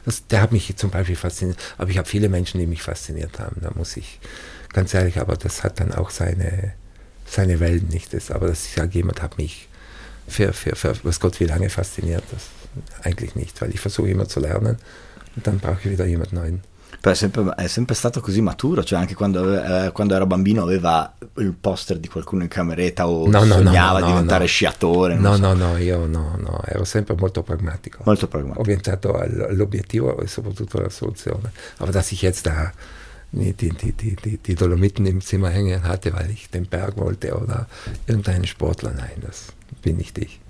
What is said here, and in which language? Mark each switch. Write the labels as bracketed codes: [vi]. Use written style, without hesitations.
[de] Der hat mich zum Beispiel fasziniert. Aber ich habe viele Menschen, die mich fasziniert haben. Da muss ich ganz ehrlich, aber das hat dann auch seine Wellen, nicht das. Aber dass ich sage, jemand hat mich für was Gott wie lange fasziniert, das eigentlich nicht, weil ich versuche immer zu lernen und dann brauche ich wieder jemand Neuen. [it] È sempre stato così maturo, cioè anche quando era bambino aveva il poster di qualcuno in cameretta o sognava di diventare sciatore. No, ero sempre molto pragmatico. Molto pragmatico. Orientato all'obiettivo e soprattutto alla soluzione. [de] Aber dass ich jetzt da die Dolomiten im Zimmer hängen hatte, weil ich den Berg wollte oder irgendeinen Sportler, nein, das bin nicht ich.